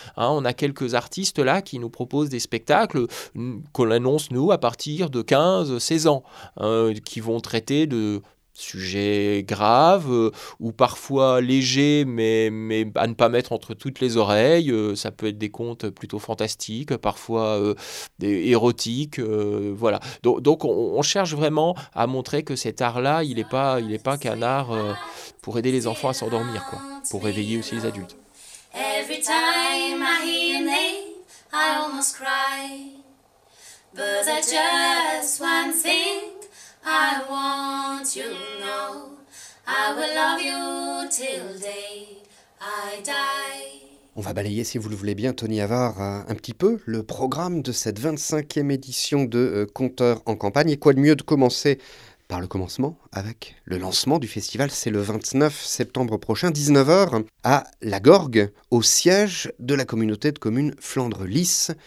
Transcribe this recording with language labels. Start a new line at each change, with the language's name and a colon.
French: Hein, on a quelques artistes là qui nous proposent des spectacles qu'on annonce, nous, à partir de 15-16 ans, qui vont traiter de sujet grave ou parfois léger, mais à ne pas mettre entre toutes les oreilles. Ça peut être des contes plutôt fantastiques, parfois érotiques. Voilà. Donc on cherche vraiment à montrer que cet art-là, il n'est pas qu'un art pour aider les enfants à s'endormir, quoi, pour réveiller aussi les adultes.
English: Every time I hear your name, I almost cry. But I just one thing. I want you to know, I will love you till day I die.
French: On va balayer, si vous le voulez bien, Tony Avare, un petit peu le programme de cette 25e édition de Conteurs en campagne. Et quoi de mieux de commencer par le commencement, avec le lancement du festival. C'est le 29 septembre prochain, 19h, à La Gorgue, au siège de la communauté de communes Flandre-Lys.